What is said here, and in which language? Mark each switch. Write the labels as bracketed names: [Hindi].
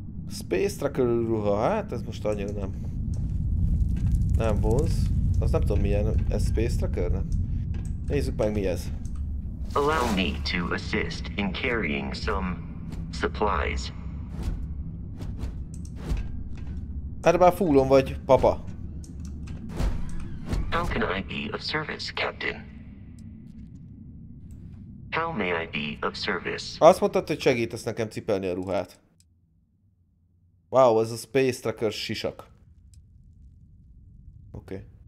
[Hungarian] Space Tracker ruha, hát ez most annyira nem. Nem vonz. Az nem tudom milyen, ez Space Tracker, nem? Nézzük meg mi ez. [English] Allow me to assist in carrying some supplies. [Hungarian] Erre már fúlom vagy, papa. [English] How can I be of service, Captain? How may I be of service? [Hungarian] Azt mondtad, hogy segítesz nekem cipelni a ruhát. Wow, ez a Space Tracker sisak. Oké.